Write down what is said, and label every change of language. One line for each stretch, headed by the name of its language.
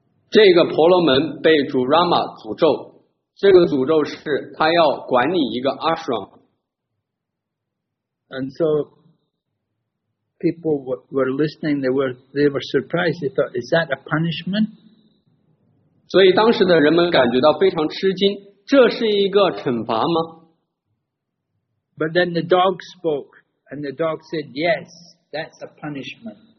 Chinese: 这个婆罗门被主 Rama 诅咒，这个诅咒是他要管理一个 ashram.
English: And so people were listening. They were surprised. They thought, "Is that a punishment?"
Chinese: 所以当时的人们感觉到非常吃惊，这是一个惩罚吗？
English: But then the dog spoke, and the dog said, "Yes, that's a punishment."